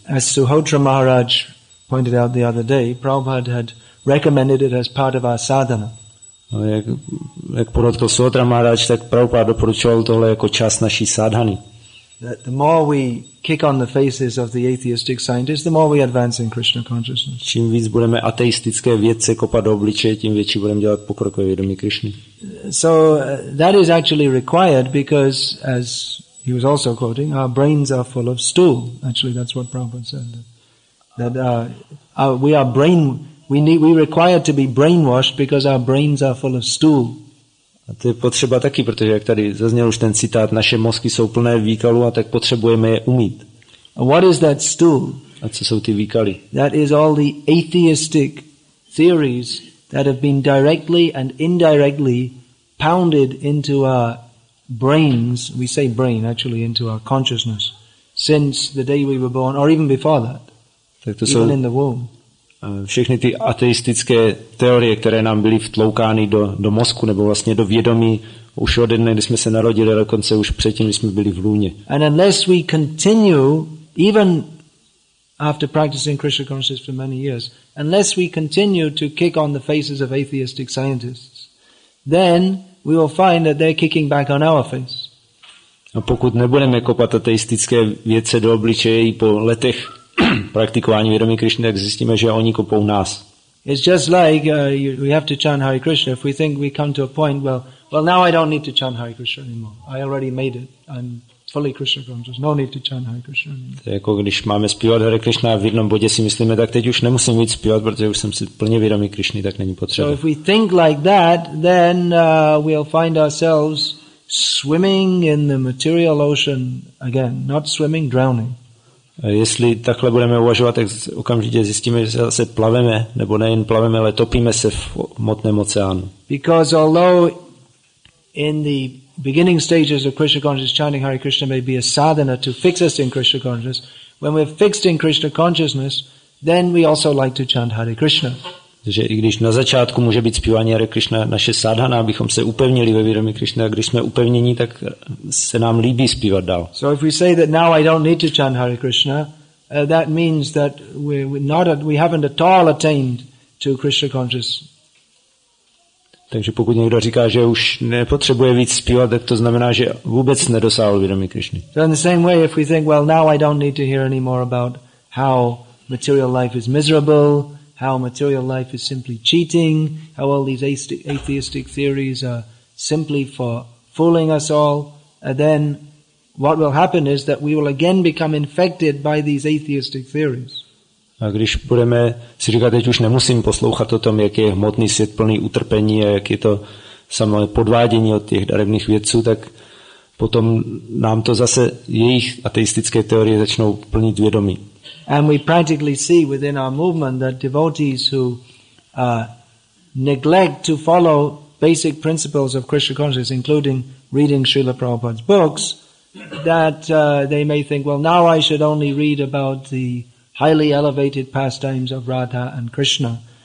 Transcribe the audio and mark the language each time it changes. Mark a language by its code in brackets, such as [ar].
[en] As Suhotra Maharaj pointed out the other day, Prabhupada had recommended it as part of our sadhana. [cs] No, jak podotkl Suhotra Maharaj, tak Prabhupada doporučoval tohle jako čas naší sadhany. [en] That the more we kick on the faces of the atheistic scientists, the more we advance in Krishna consciousness. [cs] Čím víc budeme ateistické vědce kopat do obličeje, tím větší budeme dělat pokrok ve vědomí Krišny. [en] So that is actually required because, as he was also quoting, our brains are full of stool. Actually, that's what Prabhupada said. We require to be brainwashed because our brains are full of stool. [cs] A to je potřeba taky, protože jak tady zazněl už ten citát, naše mozky jsou plné výkalů a tak potřebujeme je umýt. [en] What is that stool? [cs] A co jsou ty výkaly? [en] That is all the atheistic theories that have been directly and indirectly pounded into our brains, we say brain actually, into our consciousness, since the day we were born, or even before that, [cs] tak to [en] even [cs] jsou [en] in the womb. [cs] Všechny ty ateistické teorie, které nám byly vtloukány do mozku nebo vlastně do vědomí už od dne, kdy jsme se narodili, ale dokonce už předtím, kdy jsme byli v lůně. [en] And unless we continue, even after practicing Krishna consciousness for many years, unless we continue to kick on the faces of atheistic scientists, then we will find that they're kicking back on our face. [cs] A pokud nebudeme kopat ateistické vědce do obličeje i po letech praktikování vědomí Krišny, tak zjistíme, že oni kopou nás. [en] It's just like we have to chant Hare Krishna. If we think we come to a point, well, now I don't need to chant Hare Krishna anymore. I already made it. I'm fully Krishna conscious. No need to chant Hare Krishna anymore. [cs] To je jako když máme zpívat Hare Krishna a v jednom bodě si myslíme, tak teď už nemusím víc zpívat, protože už jsem si plně vědomí Krišny, tak není potřeba. [en] So if we think like that, then we'll find ourselves swimming in the material ocean again. Not swimming, drowning. [cs] Jestli takhle budeme uvažovat, tak okamžitě zjistíme, že se plaveme, nebo nejen plaveme, ale topíme se v hmotném oceánu. [en] Because although in the beginning stages of Krishna consciousness, chanting Hare Krishna may be a sadhana to fix us in Krishna consciousness, when we're fixed in Krishna consciousness, then we also like to chant Hare Krishna. [cs] Takže i když na začátku může být zpívání Hare Krishna naše sadhana, abychom se upevnili ve vědomí Krishna, a když jsme upevnění, tak se nám líbí zpívat dál. [en] So if we say that now I don't need to chant Hare Krishna, that means that we haven't at all attained to Krishna consciousness. [cs] Takže pokud někdo říká, že už nepotřebuje víc zpívat, tak to znamená, že vůbec nedosáhl vědomí Krišny. [en] So in the same way, if we think, well, now I don't need to hear any more about how material life is miserable, how material life is simply cheating, how all these atheistic theories are simply for fooling us all, and then what will happen is that we will again become infected by these atheistic theories. [cs] A když budeme si říkat, teď už nemusím poslouchat o tom, jak je hmotný svět plný utrpení a jak je to samo podvádění od těch darebných vědců, tak potom nám to zase jejich ateistické teorie začnou plnit vědomí. [en] And we practically see within our movement that devotees who neglect to follow basic principles of Krishna consciousness, including reading Srila Prabhupada's books, that they may think, well, now I should only read about the highly elevated pastimes of Radha and Krishna.